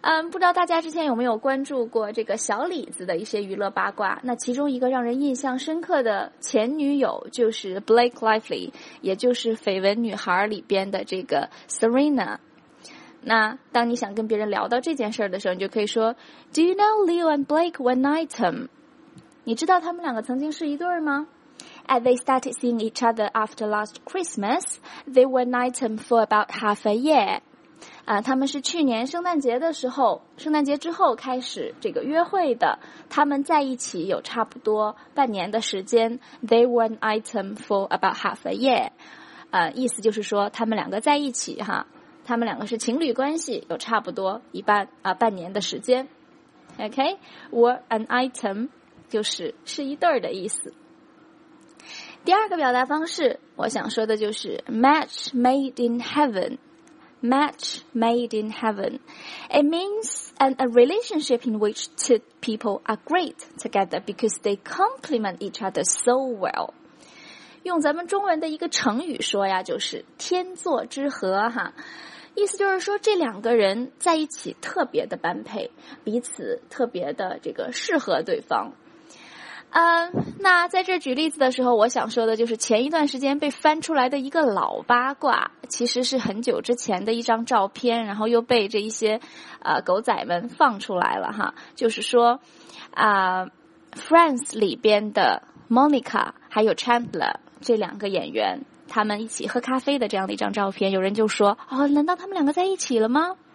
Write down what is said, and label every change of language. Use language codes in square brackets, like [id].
[zh] 不知道大家之前有没有关注过这个小李子的一些娱乐八卦，那其中一个让人印象深刻的前女友就是 Blake Lively， 也就是绯闻女孩里边的这个 Serena。那当你想跟别人聊到这件事儿的时候，你就可以说 [en] Do you know Leo and Blake were an item? [zh] 你知道他们两个曾经是一对吗？ [en] As they started seeing each other after last Christmas, they were an item for about half a year. [zh] 他们是去年圣诞节的时候，圣诞节之后开始这个约会的，他们在一起有差不多半年的时间。 [en] They were an item for about half a year. [zh] 意思就是说他们两个在一起哈，他们两个是情侣关系，有差不多一半半年的时间。 [en] Okay? Were an item. [zh] 就是是一对儿的意思。第二个表达方式我想说的就是 [en] match made in heaven。 match made in heaven it means a relationship in which two people are great together because they complement each other so well。 [zh] 用咱们中文的一个成语说呀，就是天作之合哈，意思就是说这两个人在一起特别的般配，彼此特别的这个适合对方。那在这举例子的时候，我想说的就是前一段时间被翻出来的一个老八卦，其实是很久之前的一张照片，然后又被这一些狗仔们放出来了哈，就是说Friends 里边的 Monica 还有 Chandler 这两个演员他们一起喝咖啡的这样的一张照片，有人就说难道他们两个在一起了吗？